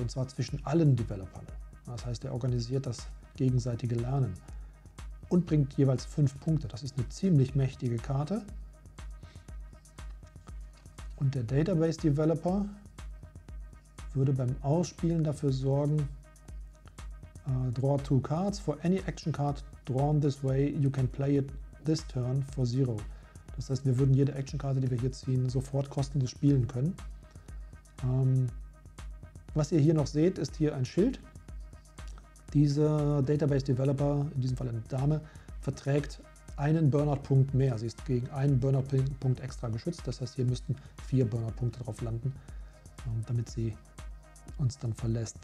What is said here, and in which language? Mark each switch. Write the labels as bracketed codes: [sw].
[de] Und zwar zwischen allen Developern. Das heißt, er organisiert das gegenseitige Lernen und bringt jeweils 5 Punkte. Das ist eine ziemlich mächtige Karte. Und der Database Developer würde beim Ausspielen dafür sorgen, [en] draw 2 cards. For any action card drawn this way, you can play it this turn for 0. [de] Das heißt, wir würden jede Action Karte, die wir hier ziehen, sofort kostenlos spielen können. Was ihr hier noch seht, ist hier ein Schild. Dieser Database Developer, in diesem Fall eine Dame, verträgt einen Burnout-Punkt mehr. Sie ist gegen einen Burnout-Punkt extra geschützt. Das heißt, hier müssten 4 Burnout-Punkte drauf landen, damit sie uns dann verlässt.